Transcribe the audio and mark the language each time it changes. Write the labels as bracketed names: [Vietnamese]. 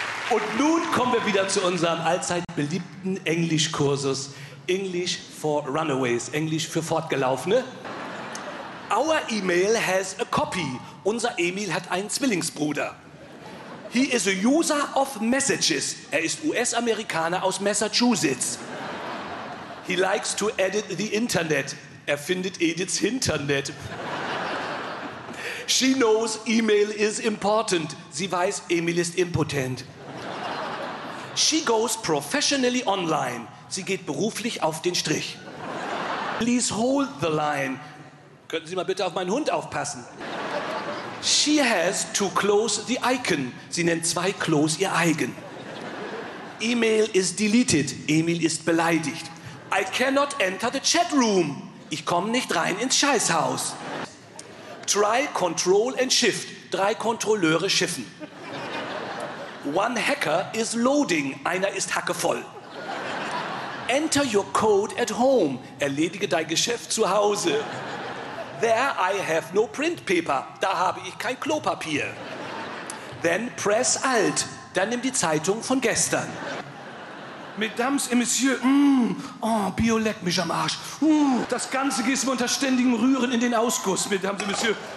[German] Und nun kommen wir wieder zu unserem allzeit beliebten Englischkursus [English] English for Runaways, [German] Englisch für Fortgelaufene. [English] Our email has a copy. [German] Unser Emil hat einen Zwillingsbruder. [English] He is a user of messages. [German] Er ist US-Amerikaner aus Massachusetts. [English] He likes to edit the Internet. [German] Er findet Ediths Internet. [English] She knows email is important. [German] Sie weiß, Emil ist impotent. [English] She goes professionally online. [German] Sie geht beruflich auf den Strich. [English] Please hold the line. [German] Könnten Sie mal bitte auf meinen Hund aufpassen? [English] She has to close the icon. [German] Sie nennt zwei Klos ihr eigen. [English] Email is deleted. [German] Emil ist beleidigt. [English] I cannot enter the chat room. [German] Ich komme nicht rein ins Scheißhaus. [English] Try control and shift. [German] Drei Kontrolleure schiffen. [English] One hacker is loading. [German] Einer ist hackevoll. [English] Enter your code at home. [German] Erledige dein Geschäft zu Hause. [English] There I have no print paper. [German] Da habe ich kein Klopapier. [English] Then press alt. [German] Dann nimm die Zeitung von gestern. [French] Mesdames et Messieurs, [German] oh, Bio leckt mich am Arsch. Das Ganze gießen wir unter ständigem Rühren in den Ausguss, [French] Mesdames et Messieurs.